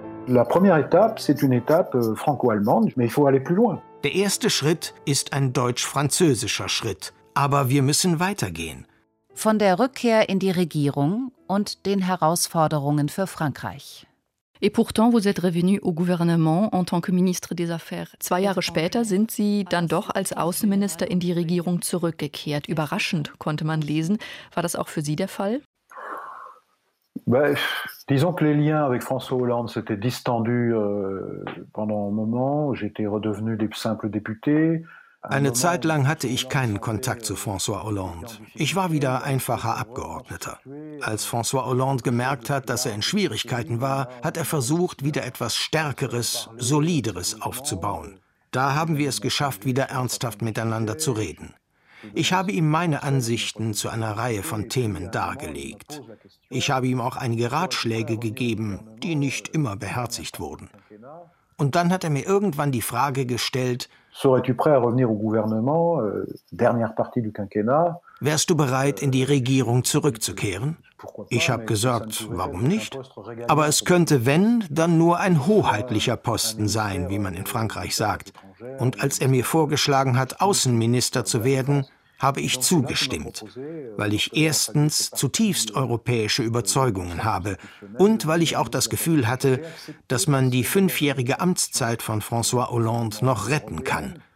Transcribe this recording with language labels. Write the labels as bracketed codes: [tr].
[fr] La première étape, c'est une étape franco-allemande, mais il faut aller plus loin. [de] Der erste Schritt ist ein deutsch-französischer Schritt. Aber wir müssen weitergehen. Von der Rückkehr in die Regierung und den Herausforderungen für Frankreich. [fr] Et pourtant, vous êtes revenu au gouvernement en tant que ministre des Affaires. [de] Zwei Jahre später sind Sie dann doch als Außenminister in die Regierung zurückgekehrt. Überraschend, konnte man lesen. War das auch für Sie der Fall? [fr] Disons que les liens avec François Hollande s'étaient distendus pendant un moment. J'étais redevenu simple député. [de] Eine Zeit lang hatte ich keinen Kontakt zu François Hollande. Ich war wieder einfacher Abgeordneter. Als François Hollande gemerkt hat, dass er in Schwierigkeiten war, hat er versucht, wieder etwas Stärkeres, Solideres aufzubauen. Da haben wir es geschafft, wieder ernsthaft miteinander zu reden. Ich habe ihm meine Ansichten zu einer Reihe von Themen dargelegt. Ich habe ihm auch einige Ratschläge gegeben, die nicht immer beherzigt wurden. Und dann hat er mir irgendwann die Frage gestellt: [fr] Serais-tu prêt à revenir au gouvernement, dernière partie du quinquennat? [de] Wärst du bereit, in die Regierung zurückzukehren? Ich habe gesagt, warum nicht? Aber es könnte, wenn, dann nur ein hoheitlicher Posten sein, wie man in Frankreich sagt. Und als er mir vorgeschlagen hat, Außenminister zu werden, habe ich zugestimmt, weil ich erstens zutiefst europäische Überzeugungen habe und weil ich auch das Gefühl hatte, dass man die 5-jährige Amtszeit von François Hollande noch retten kann.